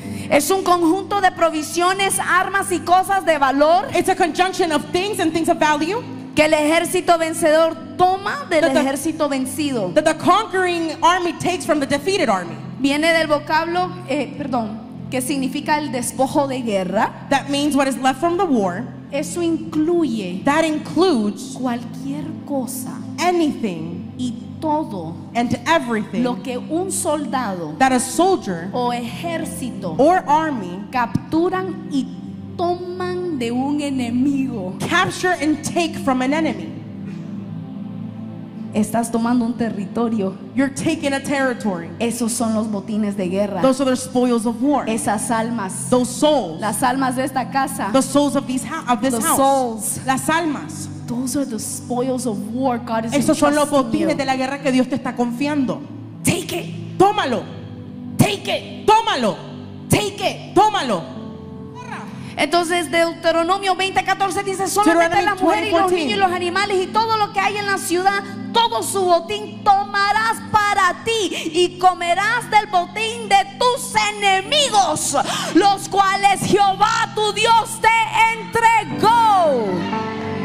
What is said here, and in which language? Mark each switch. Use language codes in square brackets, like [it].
[es] Es un conjunto de provisiones, armas y cosas de valor. [en] It's a conjunction of things and things of value. [es] Que el ejército vencedor toma del ejército vencido. [en] That the conquering army takes from the defeated army. [es] Viene del vocablo, que significa el despojo de guerra. [en] That means what is left from the war. [es] Eso incluye. [en] That includes. [es] Cualquier cosa. [en] Anything. [es] Y todo. [en] And everything. [es] Lo que un soldado. [en] That a soldier. [es] O ejército. [en] Or army. [es] Capturan y toman de un enemigo. [en] Capture and take from an enemy. [es] Estás tomando un territorio. [en] You're taking a territory. [es] Esos son los botines de guerra. [en] Those are the spoils of war. [es] Esas almas. [en] Those souls. [es] Las almas de esta casa. [en] The souls of this house. The souls. [es] Las almas. [en] Those are the spoils of war God is. [es] Esos son los botines de la guerra que Dios te está confiando. [en] Take it. [es] Tómalo. [en] Take it. [es] Tómalo. [en] Take it. [es] Tómalo. Entonces Deuteronomio 20:14 dice solamente la mujer 20, y los niños y los animales y todo lo que hay en la ciudad, todo su botín tomarás para ti y comerás del botín de tus enemigos, los cuales Jehová tu Dios te entregó.